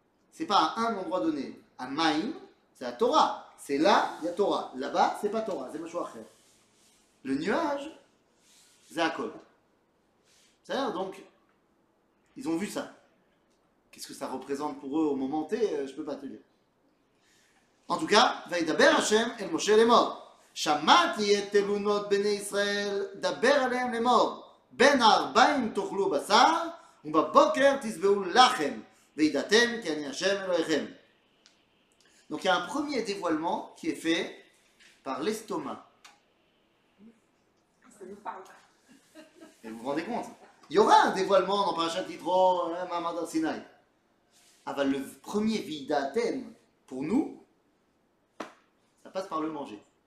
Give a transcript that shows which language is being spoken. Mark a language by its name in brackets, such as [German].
[French] C'est pas à un endroit donné, à Maïm, c'est à Torah. C'est là, il y a Torah. Là-bas, c'est pas Torah, c'est Machoah Kher. Le nuage, c'est à Kol. C'est-à-dire, donc, ils ont vu ça. Qu'est-ce que ça représente pour eux au moment T, je peux pas te dire. En tout cas, [Hebrew] וידבר השם אל משה לאמור. שמעתי את תלונות בני ישראל, דבר עליהם לאמור. בין הארבעים תאכלו בשר, ובבוקר תשבעו לחם, וידעתם כי אני השם אלוהיכם. [French] Donc il y a un premier dévoilement qui est fait par l'estomac. Et vous vous rendez compte? Il y aura un dévoilement dans Parashat Yitro, Mamad Har Sinai. Avant le premier vidatem pour nous, passe par le manger.